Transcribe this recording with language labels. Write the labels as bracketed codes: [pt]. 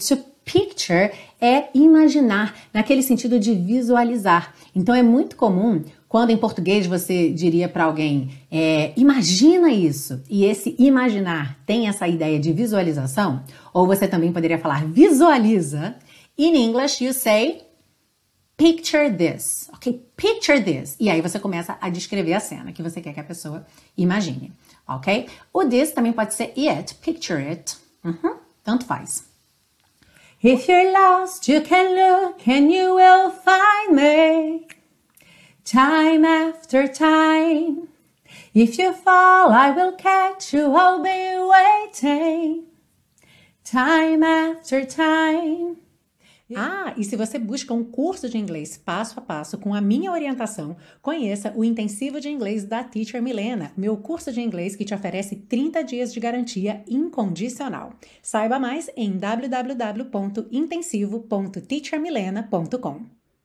[en] To picture [pt] é imaginar, naquele sentido de visualizar. Então, é muito comum quando em português você diria para alguém, imagina isso, e esse imaginar tem essa ideia de visualização, ou você também poderia falar visualiza. [en] In English, you say picture this, ok? Picture this. [pt] E aí você começa a descrever a cena que você quer que a pessoa imagine, ok? O this também pode ser it, [en] picture it. [pt] Tanto faz. [en] If you're lost, you can look and you will find me. Time after time. If you fall, I will catch you, I'll be waiting. Time after time. [pt] Ah, e se você busca um curso de inglês passo a passo com a minha orientação, conheça o Intensivo de Inglês da Teacher Milena, meu curso de inglês que te oferece 30 dias de garantia incondicional. Saiba mais em www.intensivo.teachermilena.com.